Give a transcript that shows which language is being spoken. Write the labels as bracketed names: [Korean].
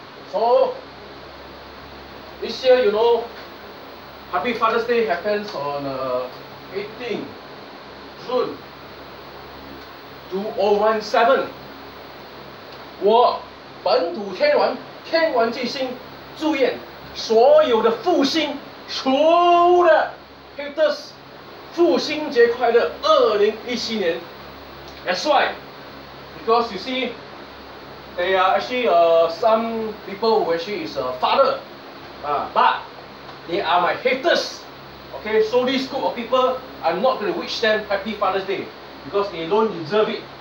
[English] So, this year, you know, Happy Father's Day happens on 18th June 2017. [Chinese] 我本土天王，天王巨星，祝愿所有的父亲，所有的 haters 父亲节快乐2017年。 [English] That's why, because you see, there are actually some people who actually is a father, but they are my haters. Okay, so this group of people, I'm not going to wish them Happy Father's Day because they don't deserve it.